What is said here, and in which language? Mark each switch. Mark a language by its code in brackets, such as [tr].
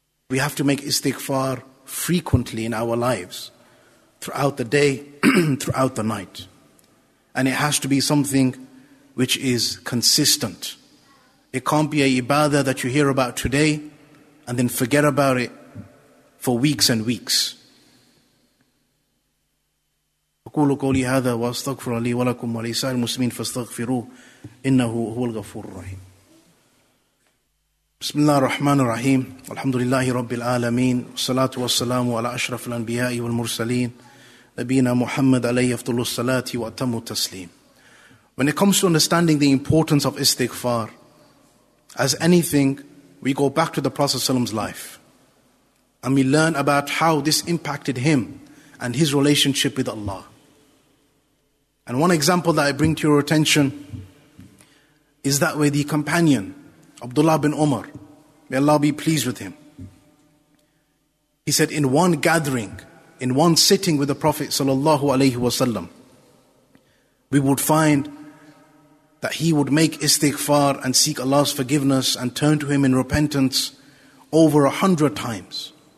[en] We have to make istighfar frequently in our lives, throughout the day, throughout the night. And it has to be something which is consistent. It can't be a ibadah that you hear about today and then forget about it for weeks and weeks. [ar] أقول قولي هذا واستغفر لي ولكم ولسائر المسلمين فاستغفروه إنه هو الغفور الرحيم. بسم الله الرحمن الرحيم الحمد لله رب العالمين والصلاة والسلام على أشرف الأنبياء والمرسلين نبينا محمد عليه أفضل الصلاة وأتم التسليم. [en] When it comes to understanding the importance of istighfar, as anything, we go back to the Prophet's life, and we learn about how this impacted him and his relationship with Allah. And one example that I bring to your attention is that way the companion, Abdullah bin Umar, may Allah be pleased with him, he said, in one gathering, in one sitting with the Prophet sallallahu alaihi wasallam, we would find that he would make istighfar and seek Allah's forgiveness and turn to him in repentance over 100 times.